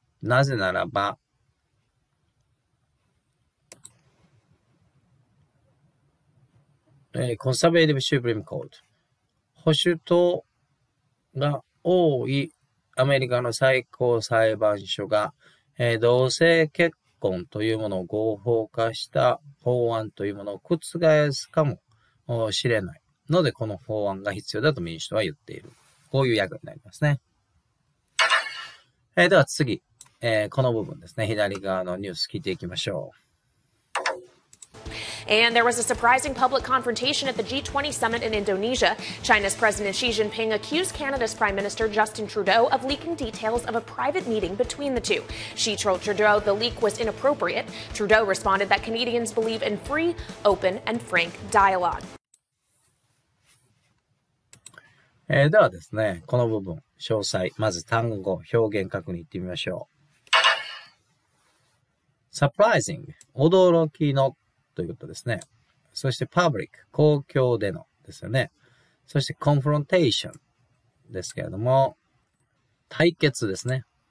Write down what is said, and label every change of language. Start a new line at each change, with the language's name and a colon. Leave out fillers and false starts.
Japanese: なぜならば、コンサーベイティブ・シュプリーム・コート、保守党が多いアメリカの最高裁判所が、同性結婚というものを合法化した法案というものを覆すかもしれない。ので、この法案が必要だと民主党は言っている。こういう訳になりますね。では次。この部分ですね、左側のニュース聞いていきましょう。
English: And there was a surprising public confrontation at the G20 summit in Indonesia. China's President Xi Jinping accused Canada's Prime Minister Justin Trudeau of leaking details of a private meeting between the two. Xi told Trudeau the leak was inappropriate. Trudeau responded that Canadians believe in free, open and frank dialogue.
Japanese: ではですね、この部分、詳細、まず単語、表現確認いってみましょう。 Surprising、驚きのということですね。そして Public、公共でのですよね。そして Confrontation ですけれども、対決ですね。